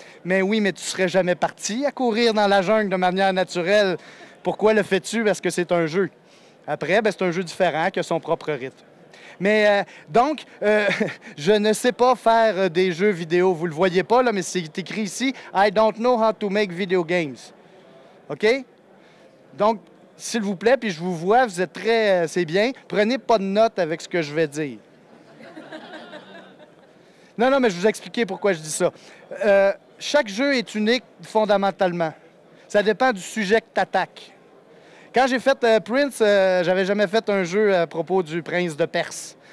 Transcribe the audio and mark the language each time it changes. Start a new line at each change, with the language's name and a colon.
French: Mais oui, mais tu serais jamais parti à courir dans la jungle de manière naturelle. Pourquoi le fais-tu? Parce que c'est un jeu. Après, c'est un jeu différent qui a son propre rythme. Mais je ne sais pas faire des jeux vidéo. Vous le voyez pas, là, mais c'est écrit ici.
English: I don't know how to make video games. OK?
French: Donc, s'il vous plaît, puis je vous vois, vous êtes très... c'est bien. Prenez pas de notes avec ce que je vais dire. Non, mais je vais vous expliquer pourquoi je dis ça. Chaque jeu est unique fondamentalement. Ça dépend du sujet que tu attaques. Quand j'ai fait Prince, j'avais jamais fait un jeu à propos du prince de Perse.